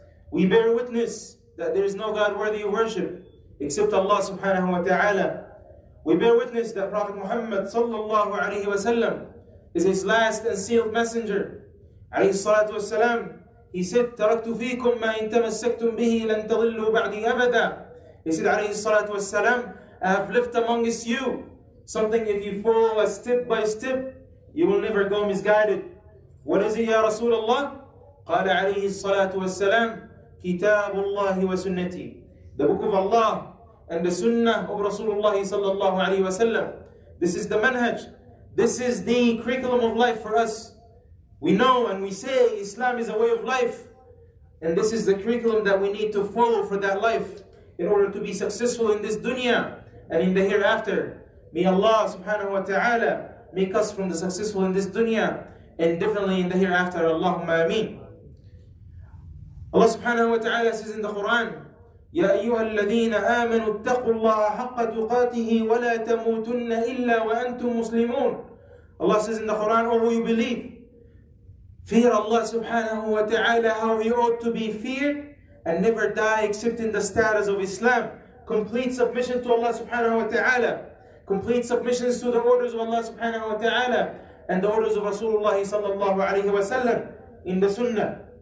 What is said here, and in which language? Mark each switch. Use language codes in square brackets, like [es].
[en] We bear witness that there is no God worthy of worship except Allah subhanahu wa ta'ala. We bear witness that Prophet Muhammad sallallahu alayhi wa sallam is his last and sealed messenger. [ar] Alayhi salatu wa salam, [en] he said, [ar] تَرَكْتُ فِيكُمْ مَا إِنْ تَمَسَّكْتُمْ بِهِ لَنْ تَضِلُّوا بَعْدِي أَبَدًا. [en] He said, alayhi salatu wa salam, I have left amongst you something if you follow a step by step, you will never go misguided. What is it, Ya Rasulullah? [ar] قَالَ عَلَيْهِ الصَّلَاةُ وَالسَّلَامُ كِتَابُ اللَّهِ وَسُنَّتِي. [en] The book of Allah and the sunnah of Rasulullah sallallahu alayhi wa sallam. This is the manhaj. This is the curriculum of life for us. We know and we say Islam is a way of life. And this is the curriculum that we need to follow for that life in order to be successful in this dunya and in the hereafter. May Allah subhanahu wa ta'ala make us from the successful in this dunya and definitely in the hereafter. Allahumma ameen. Allah subhanahu wa ta'ala says in the Quran, [ar] يا أيها الذين آمنوا اتقوا الله حق تقاته ولا تموتن إلا وأنتم مسلمون. [en] Allah says in the Quran, oh, you believe, fear Allah subhanahu wa ta'ala how he ought to be feared and never die except in the status of Islam. Complete submission to Allah subhanahu wa ta'ala. Complete submission to the orders of Allah subhanahu wa ta'ala and the orders of Rasulullah sallallahu alayhi wa sallam in the sunnah.